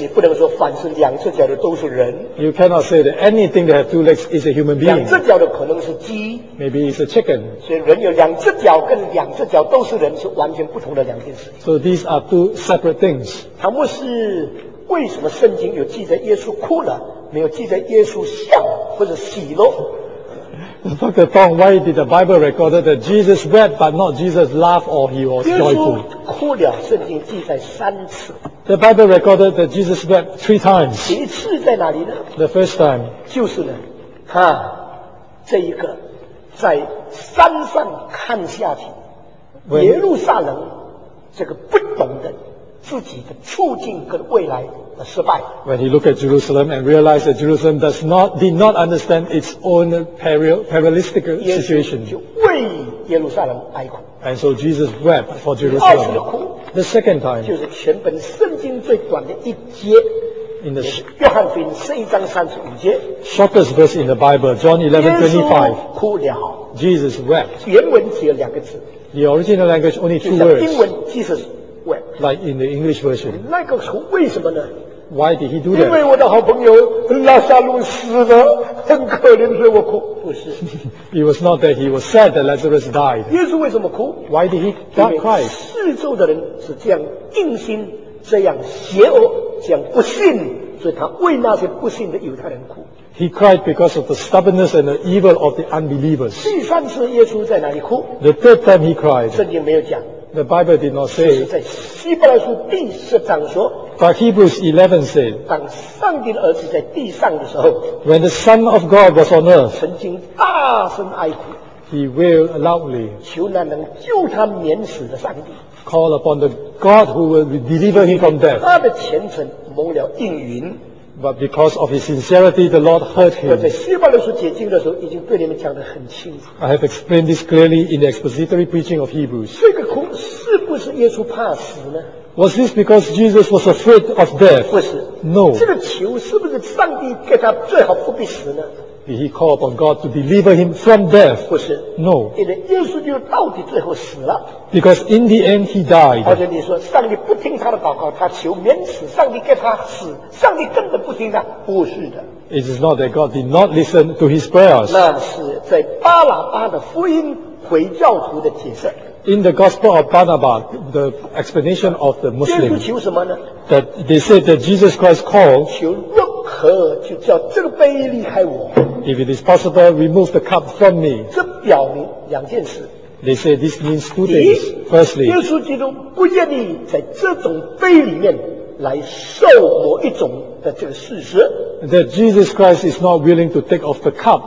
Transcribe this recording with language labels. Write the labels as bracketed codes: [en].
[zh] 你不能说凡是两只脚的都是人。 [en] You cannot say that anything that has two legs is a human being. [zh] 两只脚的可能是鸡。 [en] Maybe it's a chicken. [zh] 所以人有两只脚跟两只脚都是人是完全不同的两件事。 [en] So these are two separate things. [zh] 唐牧师。为什么圣经有记载耶稣哭了，没有记载耶稣笑或者喜乐？ [en] Dr. Tong, why did the Bible record that Jesus wept but not Jesus laughed or he was joyful? [zh] 耶稣哭了，圣经记载三次。 [en] The Bible recorded that Jesus wept three times. [zh] 第一次在哪里呢？ [en] The first time. [zh] 就是呢，哈，这一个在山上看下去， When、耶路撒冷这个不懂的。自己的处境跟未来的失败。 [en] When he looked at Jerusalem and realized that Jerusalem did not understand its own perilous situation, [zh] 耶稣就为耶路撒冷哀哭。 [en] And so Jesus wept for Jerusalem. [zh] 第二次哭。 [en] The second time. [zh] 就是全本圣经最短的一节。 [en] In the [zh] 约翰福音11:35. [en] Shortest verse in the Bible, John 11:25. [zh] 耶稣哭了。 [en] Jesus wept. [zh] 原文只有两个字。 [en] The original language only two words. [zh] 就像英文 Jesus。 [en] Like in the English version. [zh] 那个是为什么呢？ [en] Why did he do that? [zh] 因为我的好朋友拉撒路死了，很可怜，所以我哭。不是。 [en] It was not that he was sad that Lazarus died. [zh] 耶稣为什么哭？ [en] Why did he cry? [zh] 四周的人是这样硬心，这样邪恶，这样不信，所以他为那些不信的犹太人哭。 [en] He cried because of the stubbornness and the evil of the unbelievers. [zh] 第三次耶稣在哪里哭？ [en] The third time he cried. [zh] 圣经没有讲。 [en] The Bible did not say. [zh] 在希伯来书第十章说。 [en] But Hebrews 11 said. [zh] 当上帝的儿子在地上的时候。 [en] When the Son of God was on earth. [zh] 曾经大声哀哭。 [en] He wailed loudly. [zh] 求那能救他免死的上帝。 [en] Call upon the God who will deliver him from death. [zh] 他的虔诚蒙了应允。 [en] But because of his sincerity, the Lord heard him. [zh] 在希伯来书解经的时候，已经对你们讲得很清楚。 [en] I have explained this clearly in the expository preaching of Hebrews. [zh] 这个哭是不是耶稣怕死呢？ [en] Was this because Jesus was afraid of death? [zh] 不是。 [en] No. [zh] 这个求是不是上帝给他最好不必死呢？ [en] Did he call upon God to deliver him from death? [zh] 不是。 [en] No. [zh] 因为耶稣就到底最后死了。 [en] Because in the end he died. [zh] 而且你说上帝不听他的祷告，他求免死，上帝给他死，上帝根本不听他，不是的。 [en] It is not that God did not listen to his prayers. [zh] 那是在巴拉巴的福音回教徒的解释。 [en] In the Gospel of Barnabas, the explanation of the Muslim. [zh] 耶稣求什么呢？ [en] That they said that Jesus Christ called. [zh] 求任何就叫这个杯离开我。 [en] If it is possible, remove the cup from me. [zh] 这表明两件事。 [en] They say this means two things. Firstly, [zh] 耶稣基督不愿意在这种杯里面来受某一种的这个事实。 [en] That Jesus Christ is not willing to take off the cup.